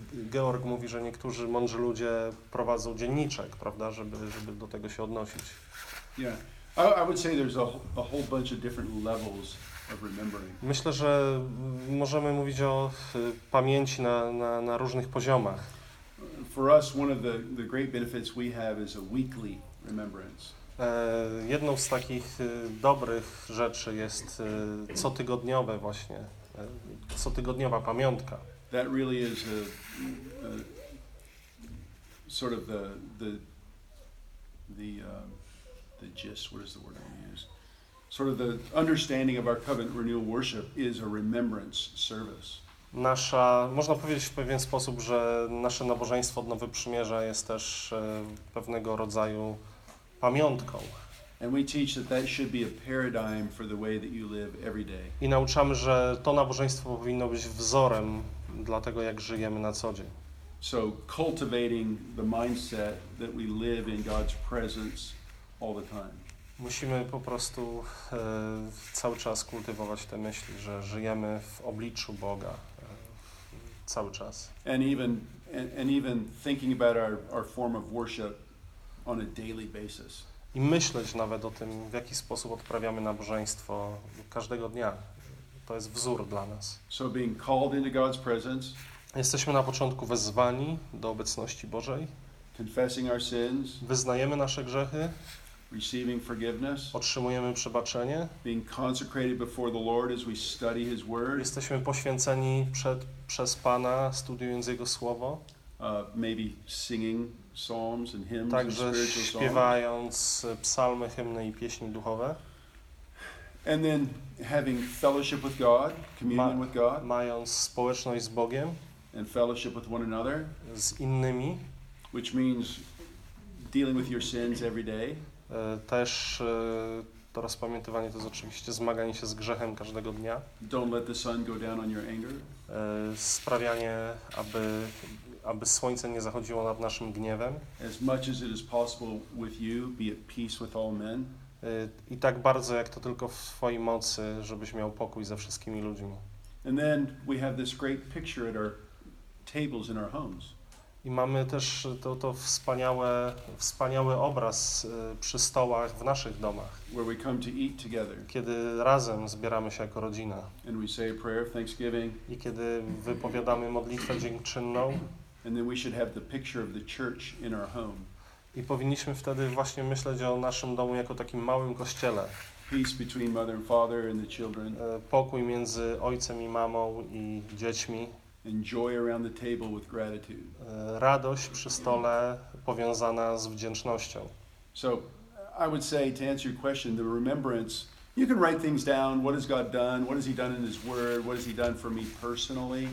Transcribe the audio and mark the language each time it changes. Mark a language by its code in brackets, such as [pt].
[pl] Georg mówi, że niektórzy mądrzy ludzie prowadzą dzienniczek, prawda, żeby do tego się odnosić. [en] Yeah. I would say there's a whole bunch of different levels. [pl] Myślę, że możemy mówić o pamięci na różnych poziomach. [en] For us, one of the great benefits we have is a weekly remembrance. [pl] Jedną z takich dobrych rzeczy jest cotygodniowe właśnie, cotygodniowa pamiątka. [en] That really is a sort of the gist, what is the word I use? Sort of the understanding of our covenant renewal worship is a remembrance service. [pl] Nasza, można powiedzieć w pewien sposób, że nasze nabożeństwo Nowy Przymierza jest też pewnego rodzaju pamiątką. [en] And we teach that that should be a paradigm for the way that you live every day. [pl] I nauczamy, że to nabożeństwo powinno być wzorem dla tego, jak żyjemy na co dzień. [en] So cultivating the mindset that we live in God's presence all the time. [pl] Musimy po prostu cały czas kultywować te myśli, że żyjemy w obliczu Boga cały czas. [en] And even thinking about our form of worship on a daily basis. [pl] I myśleć nawet o tym, w jaki sposób odprawiamy nabożeństwo każdego dnia. To jest wzór dla nas. [en] So being called into God's presence. [pl] Jesteśmy na początku wezwani do obecności Bożej. [en] Confessing our sins. [pl] Wyznajemy nasze grzechy. [en] receiving forgiveness. [pl] Otrzymujemy przebaczenie. [en] Being consecrated before the Lord as we study His Word. [pl] Jesteśmy poświęceni przez Pana, studiując Jego Słowo. [en] Maybe singing psalms and hymns. [pl] Także [en] and spiritual [pl] śpiewając psalmy, hymny i pieśni duchowe. [en] And then having fellowship with God, communion with God. [pl] Mając społeczność z Bogiem. [en] And fellowship with one another. [pl] Z innymi. [en] Which means dealing with your sins every day. [pl] Też to rozpamiętywanie to jest oczywiście zmaganie się z grzechem każdego dnia. [en] Don't let the sun go down on your anger. [pl] Sprawianie, aby słońce nie zachodziło nad naszym gniewem. [en] As much as it is possible with you, be at peace with all men. [pl] I tak bardzo, jak to tylko w swojej mocy, żebyś miał pokój ze wszystkimi ludźmi. [en] And then we have this great picture at our tables in our homes. [pl] I mamy też to wspaniały obraz przy stołach w naszych domach. [en] Where we come to eat together. [pl] Kiedy razem zbieramy się jako rodzina. [en] And we say a prayer of thanksgiving. [pl] I kiedy wypowiadamy modlitwę dziękczynną. [en] And then we should have the picture of the church in our home. [pl] I powinniśmy wtedy właśnie myśleć o naszym domu jako takim małym kościele. [en] Peace between mother and father and the children. [pl] Pokój między ojcem i mamą i dziećmi. [en] Enjoy around the table with gratitude. [pl] Radość przy stole powiązana z wdzięcznością. [en] So, I would say to answer your question, the remembrance, you can write things down, what has God done, what has He done in His Word, what has He done for me personally.